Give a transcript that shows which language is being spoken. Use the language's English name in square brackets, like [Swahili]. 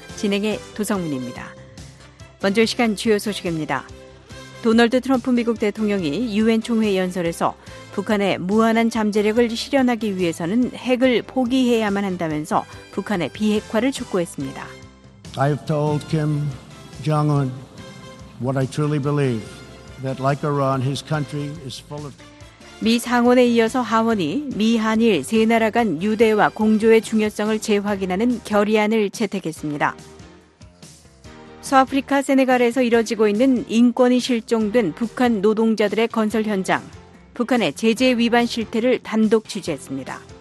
[Korean] 진행의 도성문입니다. 먼저 시간 주요 소식입니다. 도널드 트럼프 미국 대통령이 유엔 총회 연설에서 북한의 무한한 잠재력을 실현하기 위해서는 핵을 포기해야만 한다면서 북한의 비핵화를 촉구했습니다. [English] I have told Kim Jong-un what I truly believe that like Iran his country is full of [Korean] 미 상원에 이어서 하원이 미 한일 세 나라 간 유대와 공조의 중요성을 재확인하는 결의안을 채택했습니다. 서아프리카 세네갈에서 이뤄지고 있는 인권이 실종된 북한 노동자들의 건설 현장, 북한의 제재 위반 실태를 단독 취재했습니다.